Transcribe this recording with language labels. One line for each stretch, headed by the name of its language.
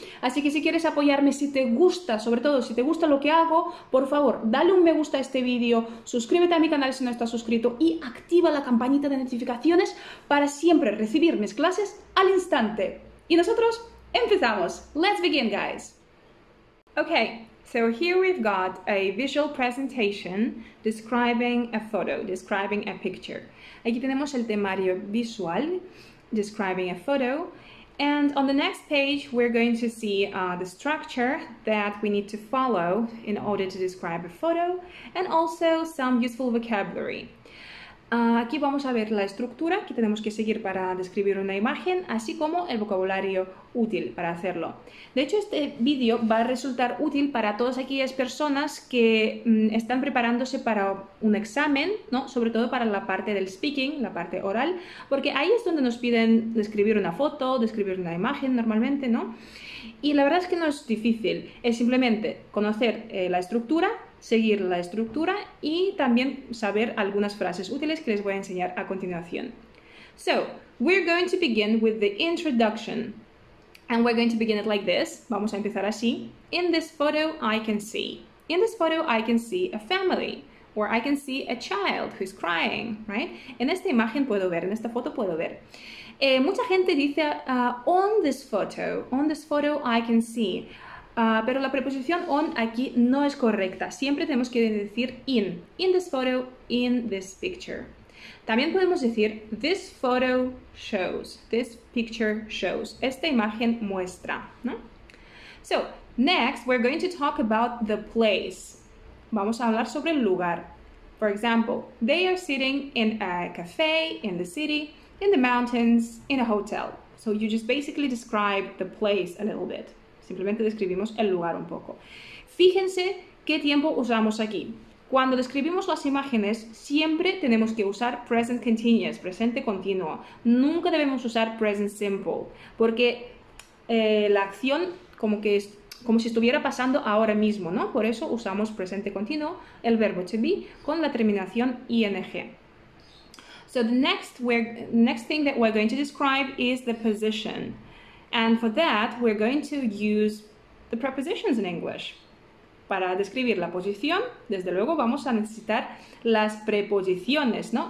Spanish: Así que si quieres apoyarme, si te gusta, sobre todo si te gusta lo que hago, por favor, dale un me gusta a este vídeo, suscríbete a mi canal si no estás suscrito y activa la campanita de notificaciones para siempre recibir mis clases al instante. Y nosotros empezamos.
English: Let's begin, guys. Okay, so here we've got a visual presentation describing a photo, describing a picture.
Spanish: Aquí tenemos el temario visual,
English: describing a photo. And on the next page, we're going to see the structure that we need to follow in order to describe a photo and also some useful vocabulary.
Spanish: Aquí vamos a ver la estructura que tenemos que seguir para describir una imagen, así como el vocabulario útil para hacerlo. De hecho, este vídeo va a resultar útil para todas aquellas personas que están preparándose para un examen, ¿no? Sobre todo para la parte del speaking, la parte oral, porque ahí es donde nos piden describir una foto, describir una imagen normalmente, ¿no? Y la verdad es que no es difícil, es simplemente conocer la estructura, seguir la estructura y también saber algunas frases útiles que les voy a enseñar a continuación.
English: So, we're going to begin with the introduction. And we're going to begin it like this.
Spanish: Vamos a empezar así.
English: In this photo I can see. In this photo I can see a family. Or I can see a child who's crying, right?
Spanish: En esta imagen puedo ver, en esta foto puedo ver. Mucha gente dice,
English: on this photo I can see.
Spanish: Pero la preposición on aquí no es correcta. Siempre tenemos que decir in.
English: In this photo, in this picture.
Spanish: También podemos decir
English: this photo shows. This picture shows.
Spanish: Esta imagen muestra, ¿no?
English: So, next we're going to talk about the place.
Spanish: Vamos a hablar sobre el lugar.
English: For example, they are sitting in a cafe, in the city, in the mountains, in a hotel. So you just basically describe the place a little bit.
Spanish: Simplemente describimos el lugar un poco. Fíjense qué tiempo usamos aquí. Cuando describimos las imágenes, siempre tenemos que usar present continuous, presente continuo. Nunca debemos usar present simple, porque la acción como que es como si estuviera pasando ahora mismo, ¿no? Por eso usamos presente continuo, el verbo to be, con la terminación ing.
English: So the next thing that we're going to describe is the position. And for that, we're going to use the prepositions in English.
Spanish: Para describir la posición, desde luego vamos a necesitar las preposiciones, ¿no?